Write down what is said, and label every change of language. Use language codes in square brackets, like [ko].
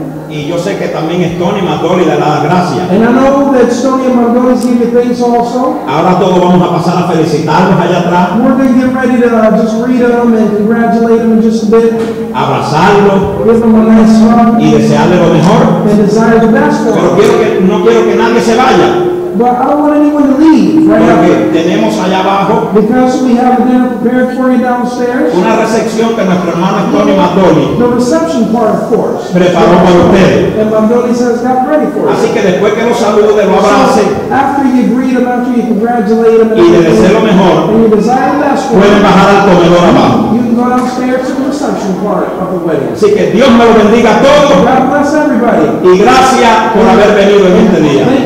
[es] Y yo sé que también Stoney y Mardolly le da las gracias. [en] And I know that Stoney and Mardolly give you thanks also. [es] Ahora todos vamos a pasar a felicitarlos allá atrás. [en] We're going to get ready to just greet them and congratulate them in just a bit. [es] Abrazarlo. [en] Give them a nice hug. [es] Y desearle lo mejor. [en] And desire the best for them. [es] Pero no quiero que nadie se vaya. [en] But I don't want anyone to leave, right? [es] Porque tenemos allá abajo, [en] because we have a dinner prepared for you downstairs. [es] Una recepción que nuestro hermano Stoney Mardolly. [en] The reception part, of course. [es] Preparó para ustedes. [en] And Mardolly says got ready for [es] you. Así que después que lo salude, lo abrace. [en] After you greet him, after you congratulate him, [es] y le deseo lo mejor, [en] and you desire the best for [es] him, pueden bajar al comedor abajo. [en] You can go downstairs to the reception part of the wedding. [es] Así que Dios me lo bendiga a todos. [en] God bless everybody. [es] Y gracias por haber venido en este día.